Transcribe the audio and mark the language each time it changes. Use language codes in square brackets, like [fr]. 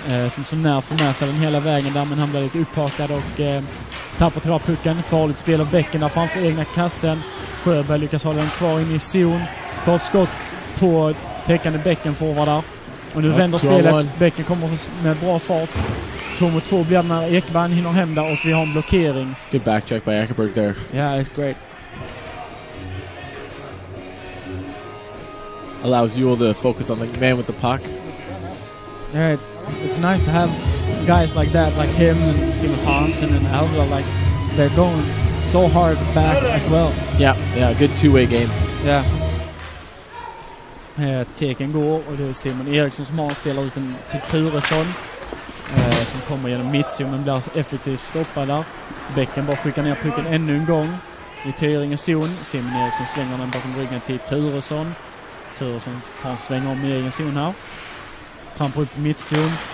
[sv] Som så när får med sig den hela vägen där, men han blir lite upphakad och tappar tillbaka pucken. Farligt spel av Bäcken där framför egna kassen. Sjöberg lyckas hålla den kvar in i zon. Tar ett skott på täckande Bäcken forward där. Och nu vänder spelet. Bäcken kommer med bra fart. 2-2 blir när Ekeberg hinner hem där och vi har en blockering. [en] Good backcheck by Ekeberg there. Yeah, it's great. Allows you all to focus on the man with the puck. Yeah, it's nice to have guys like that, like him and Simon Hansen and Alva, like they're going so hard back as well. Yeah, good two-way game. Yeah. [sv] Teken går och det är Simon Eriksson som har spelat ut till Turesson som kommer genom mittzon men blir effektivt stoppad där. Bäcken bara skickar ner pucken ännu en gång i Tyringens zon. Simon Eriksson slänger den bakom ryggen till Turesson. Turesson tar en sväng om i egen zon här. Trampar upp mittzon.